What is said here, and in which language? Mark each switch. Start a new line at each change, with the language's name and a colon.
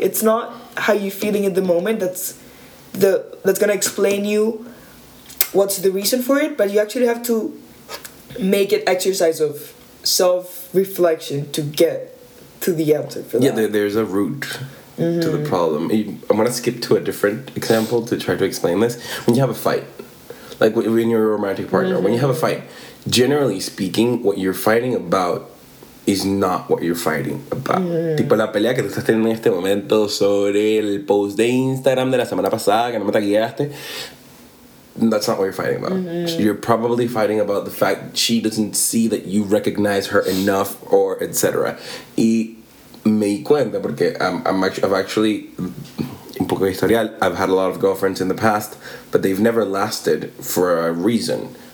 English: It's not how you're feeling at the moment that's going to explain you what's the reason for it, but you actually have to make it exercise of self-reflection to get to the answer for that. Yeah, there's a root to the problem. I'm going to skip to a different example to try to explain this. When you have a fight, like when you're a romantic partner, when you have a fight, generally speaking, what you're fighting about is not what you're fighting about.
Spanish: Tipo la pelea que tú estás teniendo en este momento sobre el post de Instagram de la semana pasada que no me taguiaste.
English: That's not what you're fighting about. Mm-hmm. You're probably fighting about the fact she doesn't see that you recognize her enough, or etc.
Spanish: Y me di cuenta porque
English: I've actually,
Spanish: un poco historial,
English: I've had a lot of girlfriends in the past, but they've never lasted for a reason.